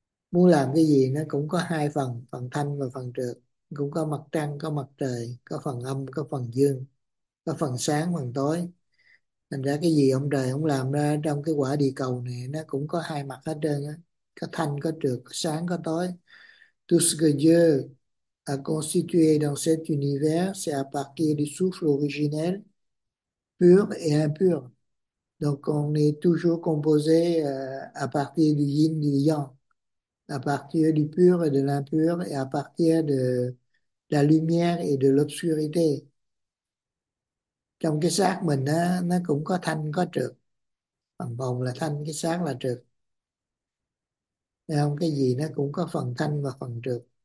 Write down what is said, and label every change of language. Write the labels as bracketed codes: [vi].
[vi] Muốn làm cái gì nó cũng có hai phần, phần thanh và phần trược, cũng có mặt trăng, có mặt trời, có phần âm, có phần dương, có phần sáng phần tối. Thành ra cái gì ông trời ông làm ra trong cái quả địa cầu này nó cũng có hai mặt hết trơn á, có thanh có trược, có sáng có tối. [fr] Tout ce que Dieu a constitué dans cet univers, c'est à partir du souffle originel pur et impur. Donc, on est toujours composé à partir du yin, du yang, à partir du pur et de l'impur, et à partir de la lumière et de l'obscurité. [vi] Trong cái xác mình á, nó cũng có thanh có trược. Phần bồng là thanh, cái xác là trược. Thấy không? Cái gì nó cũng có phần thanh và phần trược.